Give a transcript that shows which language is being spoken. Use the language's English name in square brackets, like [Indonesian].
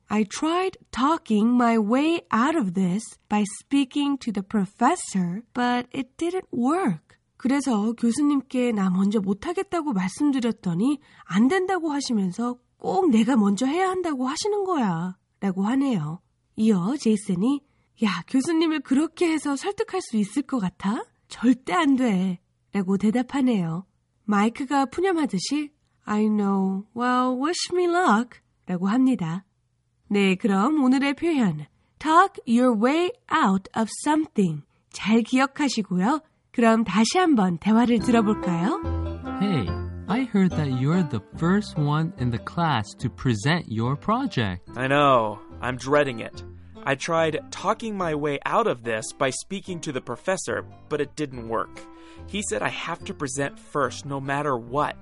[English] I tried talking my way out of this by speaking to the professor, but it didn't work. [Korean] 그래서 교수님께 나 먼저 못하겠다고 말씀드렸더니 안 된다고 하시면서 꼭 내가 먼저 해야 한다고 하시는 거야 라고 하네요. 이어 제이슨이 야, 교수님을 그렇게 해서 설득할 수 있을 것 같아? 절대 안 돼 라고 대답하네요. 마이크가 푸념하듯이 [English] I know. Well, wish me luck [Korean] 라고 합니다. 네, 그럼 오늘의 표현 [English] Talk your way out of something [Korean] 잘 기억하시고요. 그럼 다시 한번 대화를 들어볼까요? [English] Hey, I heard that you're the first one in the class to present your project. I know. I'm dreading it. I tried talking my way out of this by speaking to the professor, but it didn't work. He said I have to present first, no matter what.